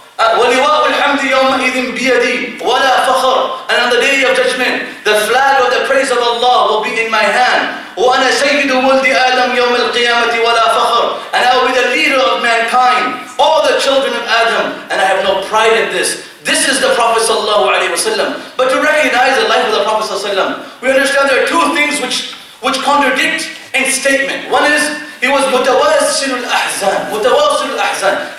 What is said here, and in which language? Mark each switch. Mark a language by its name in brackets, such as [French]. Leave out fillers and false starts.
[Arabic] ولواء الحمد يومئذ بيدي ولا فخر. [English] And on the day of judgment, the flag of the praise of Allah will be in my hand. [Arabic] وأنا سيد ولد آدم يوم القيامة ولا فخر. [English] And I will be the leader of mankind, all the children of Adam, and I have no pride in this. This is the Prophet sallallahu alaihi wasallam. But to recognize the life of the Prophet sallallahu alaihi wasallam, we understand there are two things which contradict in statement. One is he was mutawassilul ahzan, mutawassilul ahzan.